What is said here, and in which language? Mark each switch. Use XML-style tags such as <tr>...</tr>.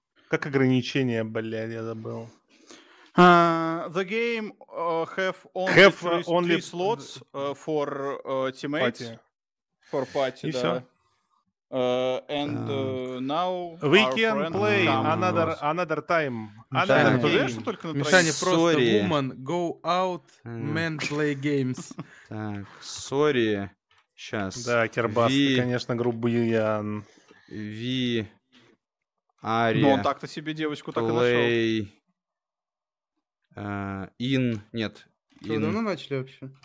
<ru>Как ограничение, блядь, я забыл.</ru> <en>The game have only three slots for teammates. Party. For party,</en> <ru>и да. Все.</ru> <en>And now we can play another time. Another game.</en> <ru>Мишаня, просто sorry.</ru> <en>Woman go out, men play games.</en> <ru>Так, sorry. Сейчас. Да, Кербас, ты, конечно, грубый Ян.</ru> <en>We are...</en> <ru>Но он так-то себе девочку так и нашел.</ru> <en>Play... in...</en> <ru>Нет. Что, давно начали вообще?</ru>